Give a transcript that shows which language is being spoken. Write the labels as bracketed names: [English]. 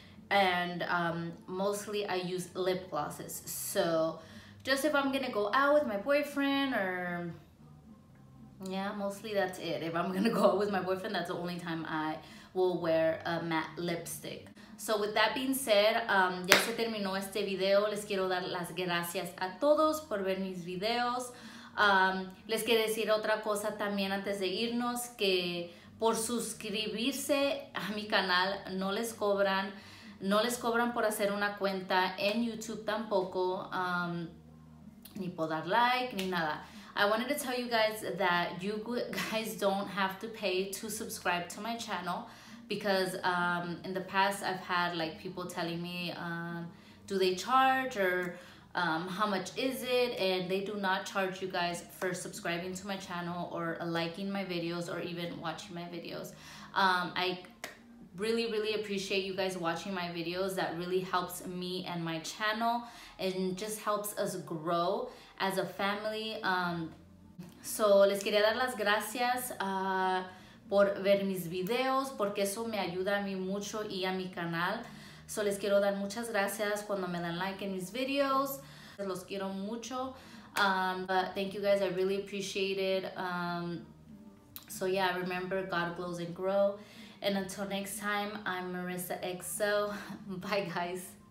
[English] And mostly I use lip glosses, so just if I'm gonna go out with my boyfriend, or yeah, mostly that's it. If I'm gonna go out with my boyfriend, that's the only time I will wear a matte lipstick. So with that being said, [Spanish] ya se terminó este video. Les quiero dar las gracias a todos por ver mis videos. Les quiero decir otra cosa también antes de irnos, que por suscribirse a mi canal no les cobran. No les cobran por hacer una cuenta en YouTube tampoco, ni por dar like, ni nada. [English] I wanted to tell you guys that you guys don't have to pay to subscribe to my channel, because in the past I've had like people telling me, do they charge, or how much is it? And they do not charge you guys for subscribing to my channel or liking my videos or even watching my videos. I really, really appreciate you guys watching my videos. That really helps me and my channel and just helps us grow as a family. [Spanish] So les quería dar las gracias por ver mis videos, porque eso me ayuda a mí mucho y a mi canal. So les quiero dar muchas gracias cuando me dan like en mis videos. Los quiero mucho. [English] But thank you guys, I really appreciate it. So yeah, remember, God glows and grow. And until next time, I'm MarisaXo. Bye, guys.